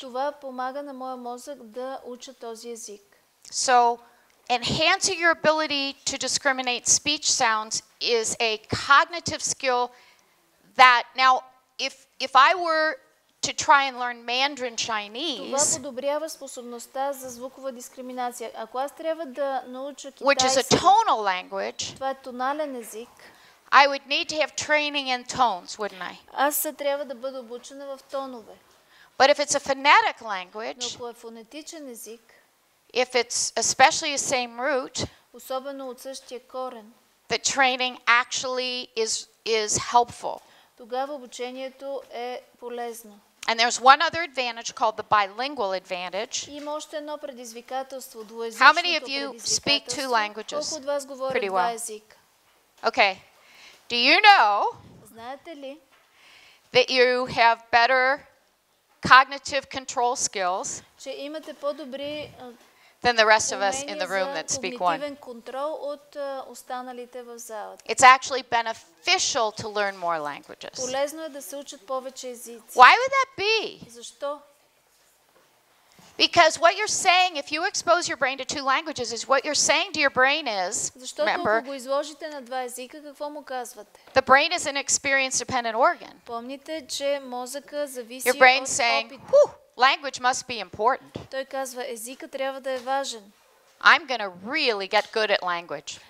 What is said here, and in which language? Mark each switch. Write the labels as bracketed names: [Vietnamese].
[Bulgarian] Това помага на моя мозък да уча този език. [English] So, enhancing your ability to discriminate speech sounds is a cognitive skill that now, if I were to try and learn Mandarin Chinese, [Bulgarian] това подобрява способността за звукова дискриминация. Ако аз трябва да науча китайски, [English] which is a tonal language, [Bulgarian] това е тонален език, [English] I would need to have training in tones, wouldn't I? [Bulgarian] Аз трябва да бъда обучена в тонове. [English] But if it's a phonetic language, [Bulgarian] но ако е фонетичен език, [English] if it's especially the same root, [Bulgarian] особено от същия корен, [English] the training actually is helpful. [Bulgarian] Тогава обучението е полезно. [English] And there's one other advantage called the bilingual advantage. [Bulgarian] Има още едно предизвикателство, двуезичното. [English] How many of you speak two languages? [Bulgarian] Колко от вас говорят два езика? [English] Okay. Do you know? [Bulgarian] Знаете ли? [English] That you have better cognitive control skills. [Bulgarian] Че имате по-добри [English] than the rest of us in the room that speak one. It's actually beneficial to learn more languages. [Bulgarian] Полезно е да се учат повече езици. [English] Why would that be? [Bulgarian] Защо? [English] Because what you're saying, if you expose your brain to two languages, is what you're saying to your brain is, [Bulgarian] защото [English] remember, [Bulgarian] ако го изложите на два езика, какво му казвате? [English] The brain is an experience-dependent organ. [Bulgarian] Помните, че мозъка зависи от опит. [English] Your brain's saying, whew, language must be important. [Bulgarian] Той казва, езика трябва да е важен. [English] I'm going to really get good at language.